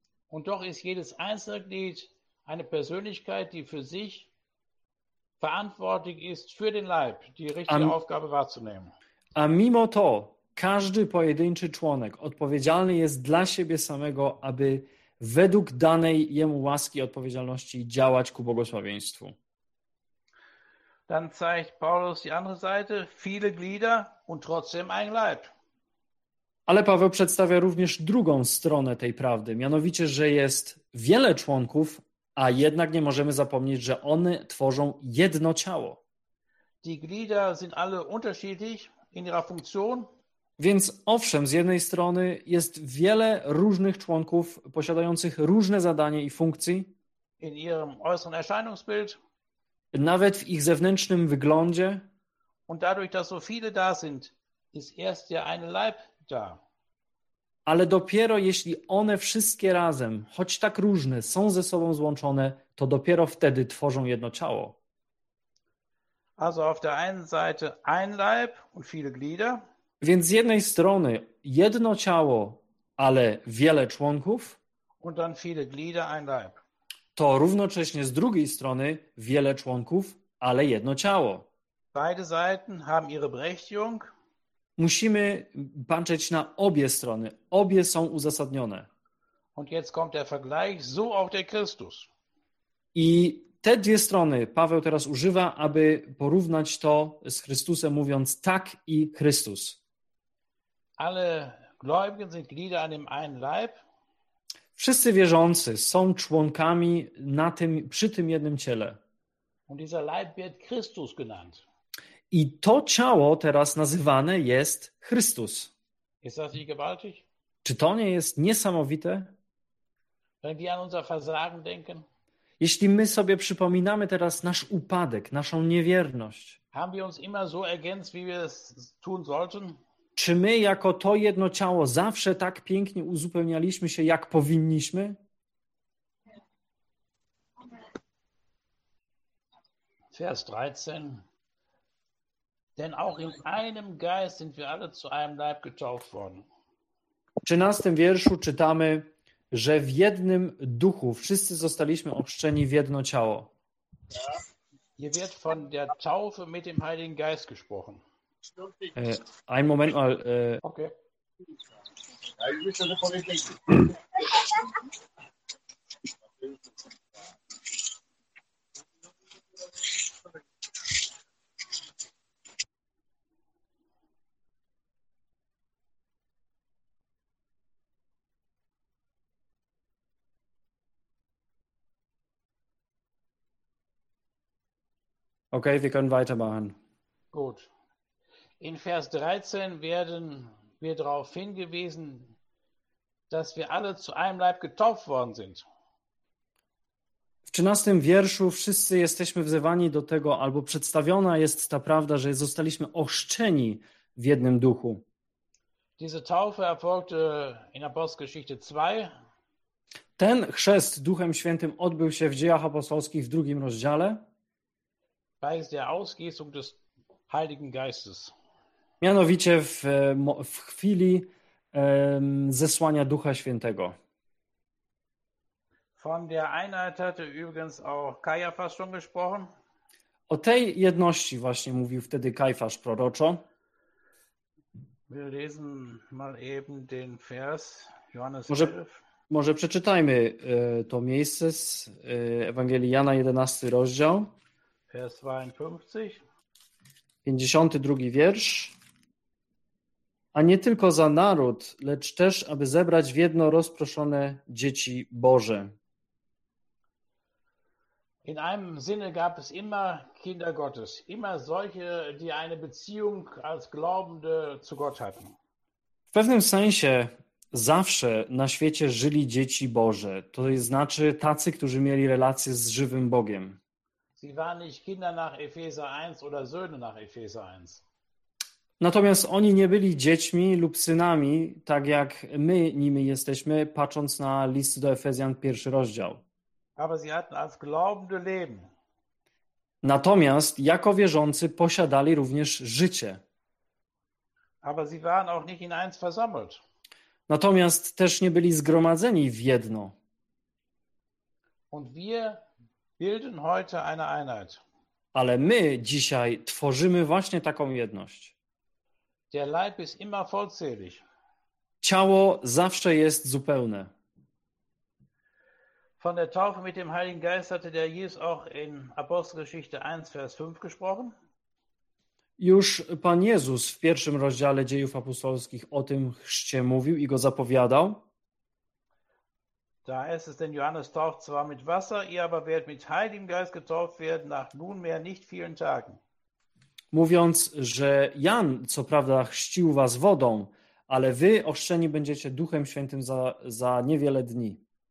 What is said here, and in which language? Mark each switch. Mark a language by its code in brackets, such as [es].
[de] Und doch ist jedes einzelne Glied eine Persönlichkeit, die für sich verantwortlich ist für den Leib, die richtige Aufgabe wahrzunehmen. [pl] A mimo to, każdy pojedynczy członek odpowiedzialny jest dla siebie samego, aby według danej jemu łaski odpowiedzialności działać ku błogosławieństwu. [de] Dann zeigt Paulus die andere Seite, viele Glieder und trotzdem ein Leib. [pl] Ale Paweł przedstawia również drugą stronę tej prawdy, mianowicie, że jest wiele członków, a jednak nie możemy zapomnieć, że one tworzą jedno ciało. [de] Die Glieder sind alle unterschiedlich in ihrer Funktion. [pl] Więc owszem, z jednej strony jest wiele różnych członków posiadających różne zadanie i funkcje. [de] In ihrem äußeren Erscheinungsbild. [pl] Nawet w ich zewnętrznym wyglądzie. [de] Und dadurch, dass so viele da sind, ist erst ja ein Leib da. [pl] Ale dopiero jeśli one wszystkie razem, choć tak różne, są ze sobą złączone, to dopiero wtedy tworzą jedno ciało. [de] Also auf der einen Seite ein Leib und viele Glieder. [pl] Więc z jednej strony jedno ciało, ale wiele członków. [de] Und dann viele Glieder, ein Leib. [pl] To równocześnie z drugiej strony wiele członków, ale jedno ciało. [de] Beide Seiten haben ihre Berechtigung. [pl] Musimy patrzeć na obie strony. Obie są uzasadnione. [de] Und jetzt kommt der Vergleich, so auch der Christus. [pl] I te dwie strony Paweł teraz używa, aby porównać to z Chrystusem, mówiąc tak i Chrystus. [de] Alle Gläubigen sind Glieder an dem einen Leib. [pl] Wszyscy wierzący są członkami na tym, przy tym jednym ciele. [de] Und dieser Leib wird Christus genannt. [pl] I to ciało teraz nazywane jest Chrystus. [de] Ist das nicht gewaltig? [pl] Czy to nie jest niesamowite? [de] Wenn wir an unser Versagen denken, [pl] jeśli my sobie przypominamy teraz nasz upadek, naszą niewierność, [de] haben wir uns immer so ergänzt, wie wir es tun sollten? [pl] Czy my jako to jedno ciało zawsze tak pięknie uzupełnialiśmy się, jak powinniśmy? [de] Vers 13. Denn auch in einem Geist sind wir alle zu einem Leib getauft worden. [pl] W 13. wierszu czytamy, że w jednym duchu wszyscy zostaliśmy ochrzczeni w jedno ciało. [de] Ja. Hier wird von der Taufe mit dem Heiligen Geist gesprochen. Ein Moment mal. Okay, wir können weitermachen. Gut. In Vers 13 werden wir darauf hingewiesen, dass wir alle zu einem Leib getauft worden sind. [pl] W 13 wierszu wszyscy jesteśmy wzywani do tego, albo przedstawiona jest ta prawda, że zostaliśmy ochrzczeni w jednym duchu. [de] Diese Taufe erfolgte in Apostelgeschichte 2. [pl] Ten chrzest Duchem Świętym odbył się w Dziejach Apostolskich w 2 rozdziale. [de] Bei der Ausgießung des Heiligen Geistes. [pl] Mianowicie w chwili zesłania Ducha Świętego. [de] Von der Einheit hatte übrigens auch Kajafas schon gesprochen. [pl] O tej jedności właśnie mówił wtedy Kajfasz proroczo. [de] Wir lesen mal eben den Vers Johannes 11. [pl] Może przeczytajmy to miejsce z Ewangelii Jana 11 rozdział. [de] Vers 52. [pl] 52 wiersz. A nie tylko za naród, lecz też, aby zebrać w jedno rozproszone dzieci Boże. [de] In einem Sinne gab es immer Kinder Gottes. Immer solche, die eine Beziehung als Glaubende zu Gott hatten. [pl] W pewnym sensie zawsze na świecie żyli dzieci Boże. To znaczy tacy, którzy mieli relacje z żywym Bogiem. [de] Sie waren nicht Kinder nach Epheser 1 oder Söhne nach Epheser 1. [pl] Natomiast oni nie byli dziećmi lub synami, tak jak my nimi jesteśmy, patrząc na list do Efezjan, 1 rozdział. [de] Aber sie hatten als glaubende Leben. [pl] Natomiast jako wierzący posiadali również życie. [de] Aber sie waren auch nicht in eins versammelt. [pl] Natomiast też nie byli zgromadzeni w jedno. [de] Und wir bilden heute eine Einheit. [pl] Ale my dzisiaj tworzymy właśnie taką jedność. [de] Der Leib ist immer vollzählig. [pl] Ciało zawsze jest zupełne. [de] Von der Taufe mit dem Heiligen Geist hatte der Jesus auch in Apostelgeschichte 1, Vers 5 gesprochen. [pl] Już Pan Jezus w pierwszym rozdziale Dziejów Apostolskich o tym chrzcie mówił i go zapowiadał. [de] Da heißt es, denn Johannes tauft zwar mit Wasser, ihr aber werdet mit Heiligem Geist getauft werden nach nunmehr nicht vielen Tagen. [pl] Mówiąc, że Jan co prawda chrzcił was wodą, ale wy ochrzczeni będziecie Duchem Świętym za niewiele dni.